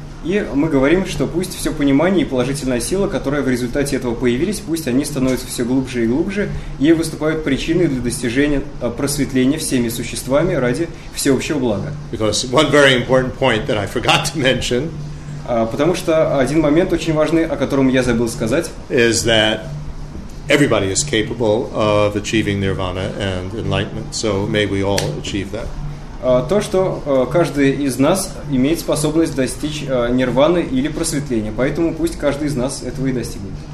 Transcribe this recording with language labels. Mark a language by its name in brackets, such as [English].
[Russian] И мы говорим, что пусть все понимание и положительная сила, которые в результате этого появились, пусть они становятся все глубже и глубже и выступают причиной для достижения просветления всеми существами ради всеобщего блага. [English] Because one very important point that I forgot to mention, [Russian] потому что один момент очень важный, о котором я забыл сказать, [English] is that everybody is capable of achieving nirvana and enlightenment, so may we all achieve that. [Russian] То, что каждый из нас имеет способность достичь нирваны или просветления, поэтому пусть каждый из нас этого и достигнет.